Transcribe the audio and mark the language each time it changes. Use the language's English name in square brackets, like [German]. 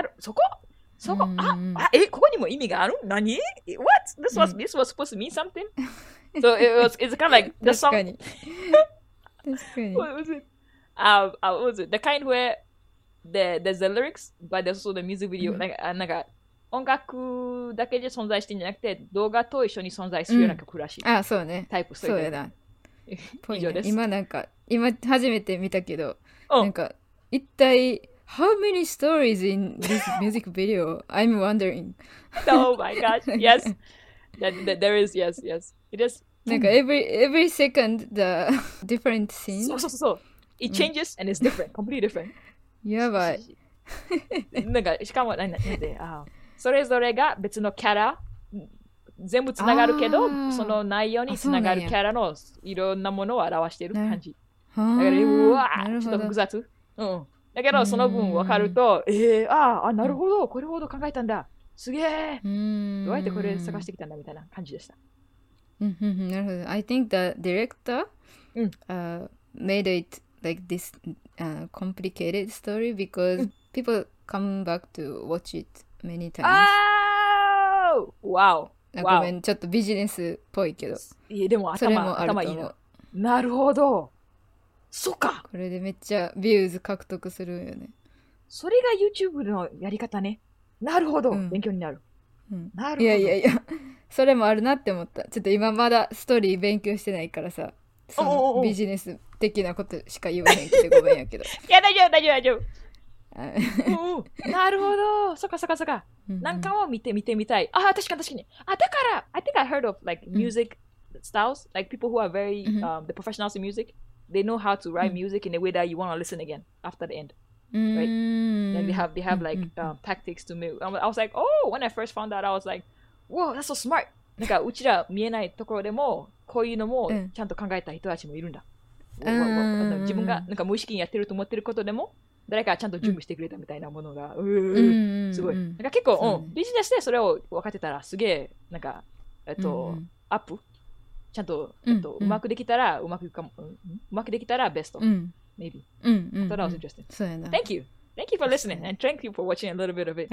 [Japanese] Soko? Soko? ここにも意味がある?何? [English] What? This was supposed to mean something? So it's kind of like the song. <That's funny. laughs> What was it? What was it? The kind where there's the lyrics, but there's also the music video. [Japanese] Like, 音楽だけで存在してんじゃなくて、動画と一緒に存在するような曲らしい。ああ、そうね。タイプ、そうだ。以上です。今なんか、今初めて見たけど、なんか、一体、 [English] How many stories in this music video? I'm wondering. Oh my gosh, yes. There is, yes, yes. It is. なんか、every second, the different scenes. そうそうそう。It changes and it's different, completely different. [Japanese] やばい。なんか、しかも、なんで、それぞれが別のキャラ、全部つながるけど、その内容につながるキャラのいろんなものを表している感じ。だから、うわぁ、ちょっと複雑。うん。だけど、その分分かると、なるほど、これほど考えたんだ。すげぇ。どうやってこれ探してきたんだみたいな感じでした。なるほど。 [English] I think the director made it like this complicated story because people come back to watch it. Many times. Oh! Wow. Wow. [Japanese] ごめん、ちょっとビジネスっぽいけど。いや、でも頭、頭いいの。なるほど。そか。これでめっちゃビューズ獲得するよね。それが YouTube のやり方ね。なるほど。勉強になる。なるほど。いやいやいや。それもあるなって思った。ちょっと今まだストーリー勉強してないからさ。そのビジネス的なことしか言わへんくてごめんやけど。いや、大丈夫、大丈夫、大丈夫。なるほど、そかそかそか。何回も見てみたい。ああ、確かに確かに。 [English] あ、だから、I think I heard of like music styles, like people who are very the professionals in music. They know how to write music in a way that you want to listen again after the end, right? And they have like tactics to move. I was like, oh, when I first found that, I was like, whoa, that's so smart. [Japanese] なんかうちら見えないところでもこういうのもちゃんと考えた人たちもいるんだ。自分がなんか無意識にやってると思ってることでも。誰かちゃんと準備してくれたみたいなものが、すごい。なんか結構、ビジネスでそれを分かってたら、すげえ、なんか、アップちゃんと、うまくできたら、うまくかも、うまくできたら、ベスト。 [English] Maybe. I thought that was interesting. [Japanese] そうやな。 [English] Thank you! Thank you for listening, and thank you for watching a little bit of it.